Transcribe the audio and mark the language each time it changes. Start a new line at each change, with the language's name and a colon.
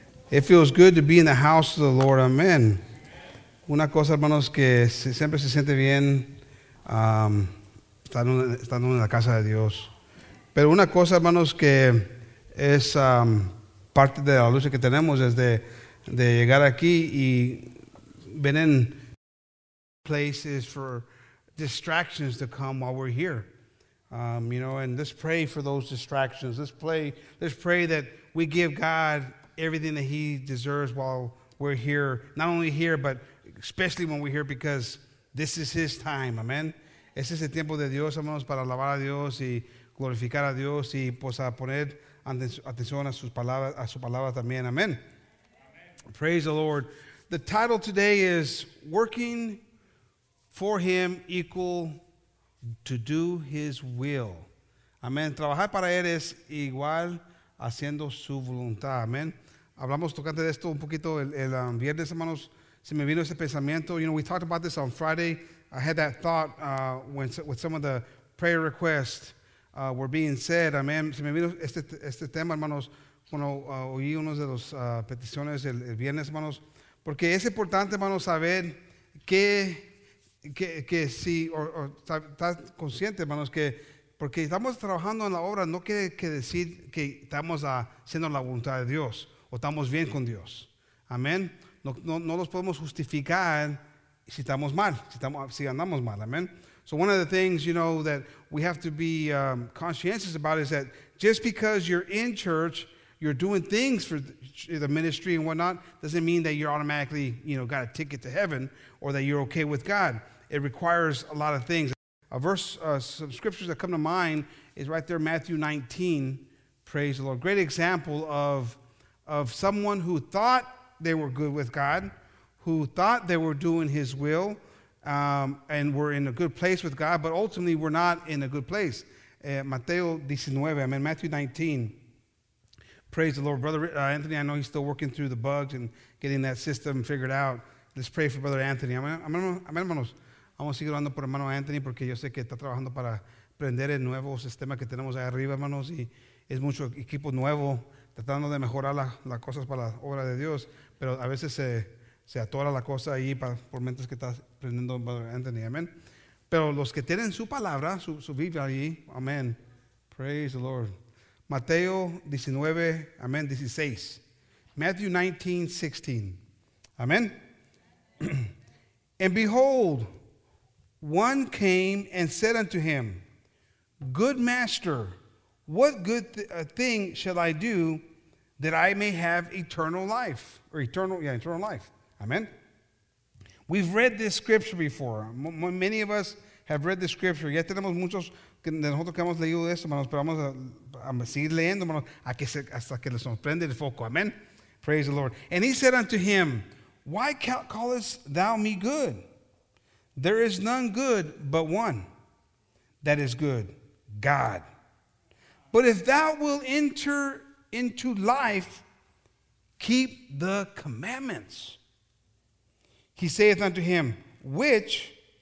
English: It feels good to be in the house of the Lord. Amen.
Spanish: Una cosa, hermanos, que siempre se siente bien estando en la casa de Dios. Pero una cosa, hermanos, que es parte de la lucha que tenemos es de llegar aquí y ven en
English: places for distractions to come while we're here. You know, and let's pray for those distractions. Let's pray that we give God everything that he deserves while we're here, not only here, but especially when we're here, because this is his time, amen.
Spanish: Este es el tiempo de Dios, hermanos, para alabar a Dios y glorificar a Dios y pues a poner atención a sus palabras, a su palabra también, amen.
English: Amen. Praise the Lord. The title today is Working for Him Equal to Do His Will. Amen.
Spanish: Trabajar para él es igual haciendo su voluntad, amen. Hablamos tocante de esto un poquito el viernes, hermanos. Se me vino ese pensamiento.
English: You know, we talked about this on Friday. I had that thought with some of the prayer requests were being said. Amen.
Spanish: Se me vino este tema, hermanos, cuando oí una de las peticiones el viernes, hermanos. Porque es importante, hermanos, saber que si, o estar consciente, hermanos, que porque estamos trabajando en la obra, no quiere que decir que estamos haciendo la voluntad de Dios. O estamos bien con Dios. Amén. No los podemos justificar si estamos mal, si andamos mal. Amén.
English: So one of the things, you know, that we have to be conscientious about is that just because you're in church, you're doing things for the ministry and whatnot, doesn't mean that you're automatically, you know, got a ticket to heaven or that you're okay with God. It requires a lot of things. A verse, some scriptures that come to mind is right there, Matthew 19. Praise the Lord. Great example of someone who thought they were good with God, who thought they were doing his will and were in a good place with God, but ultimately were not in a good place. Mateo 19, I mean Matthew 19. Praise the Lord. Brother Anthony, I know he's still working through the bugs and getting that system figured out. Let's pray for Brother Anthony. Amen, hermanos.
Spanish: Vamos a seguir orando por hermano Anthony porque yo sé que está trabajando para aprender el nuevo sistema que tenemos ahí arriba, hermanos, y es mucho equipo nuevo. Tratando de mejorar las cosas para la obra de Dios, pero a veces se atora la cosa ahí por mientras que estás aprendiendo, Anthony, amén. Pero los que tienen su palabra, su Biblia allí, amén.
English: Praise the Lord. Mateo 19, amén, 16. Matthew 19, 16. Amén. And behold, one came and said unto him, Good master, what good thing shall I do that I may have eternal life? Or eternal life. Amen. We've read this scripture before. Many of us have read this scripture.
Spanish: Ya tenemos muchos de nosotros que hemos leído esto, hermanos, pero vamos a seguir leyendo, hermanos, hasta que les sorprende el foco.
English: Amen. Praise the Lord. And he said unto him, Why callest thou me good? There is none good but one that is good, God. But if thou wilt enter into life, keep the commandments. He saith unto him, Which